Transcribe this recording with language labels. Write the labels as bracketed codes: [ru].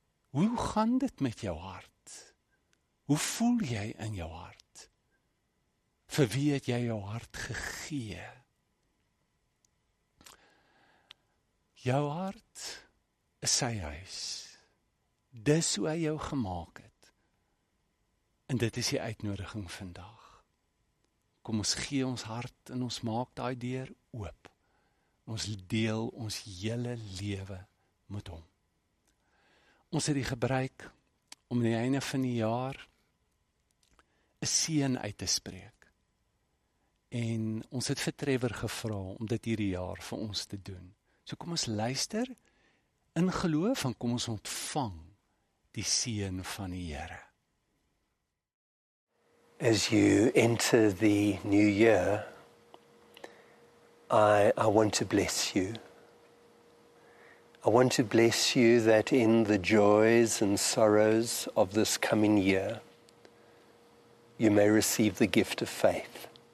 [af] Hoe gaan dit met jou hart? Hoe voel jy in jou hart? Vir wie het jy jou hart gegee? Jou hart is sy huis. Dis hoe hy jou gemaak het. En dit is die uitnodiging vandag. Kom ons gee ons hart en ons maak daai deur oop. Ons deel ons hele lewe met hom. Ons het die gebruik om in die einde van die jaar 'n seën uit te spreek. En ons het vir Trevor gevra om dit hierdie jaar vir ons te doen. So kom ons luister in geloof en kom ons ontvang die seën van die Here. [en] As you enter the new year, I want to bless you. I want to bless you that in the joys and sorrows of this coming year, you may receive the gift of faith.